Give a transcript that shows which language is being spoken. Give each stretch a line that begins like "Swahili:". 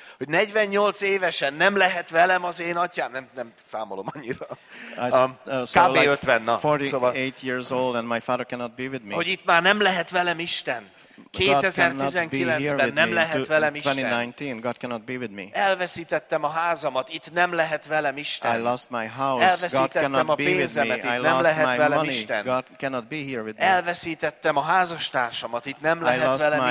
Hungarian: Hogy 48 évesen nem lehet velem az én atyám. Nem számolom annyira. Kb. 50, na.
English: 48 years old and my father cannot be with me.
Hungarian: Hogy itt már nem lehet velem Isten. 2019-ben nem lehet velem Isten.
English: 2019, God cannot be with me.
Hungarian: Elveszítettem a házamat, itt nem lehet velem Isten.
English: I lost my house. God cannot be with me. I lost my money. God cannot be here with me.
Hungarian: Elveszítettem a házastársamat, itt nem lehet velem Isten.